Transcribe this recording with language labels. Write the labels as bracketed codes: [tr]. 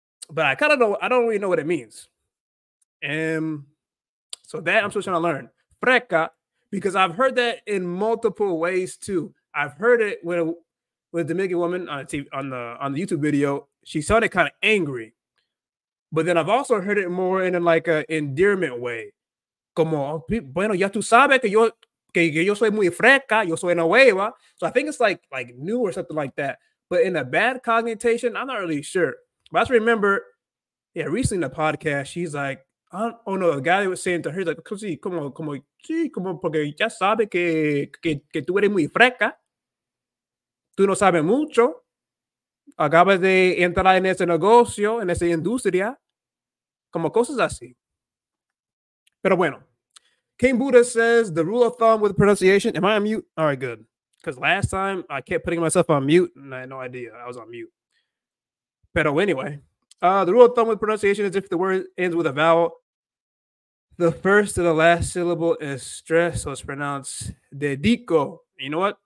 [en] But I kind of don't. I don't really know what it means. So that I'm still trying to learn. Freca, because I've heard that in multiple ways too. I've heard it with a Dominican woman on the TV, on the YouTube video. She sounded kind of angry. But then I've also heard it more in like an endearment way. [es] Como, bueno, ya tú sabes que yo soy muy freca, yo soy una hueva. [en] So I think it's like new or something like that. But in a bad connotation, I'm not really sure. But I just remember, yeah, recently in the podcast, she's like, I don't know, a guy was saying to her, he's like, [es] como, porque ya sabe que tú eres muy freca. Tú no sabes mucho. Acabas de entrar en ese negocio, en esa industria. Como cosas así. Pero bueno. [en] King Buddha says, the rule of thumb with pronunciation. Am I on mute? All right, good. Because last time, I kept putting myself on mute, and I had no idea I was on mute. Pero anyway. The rule of thumb with pronunciation is if the word ends with a vowel, the first to the last syllable is stressed, so it's pronounced dedico. You know what?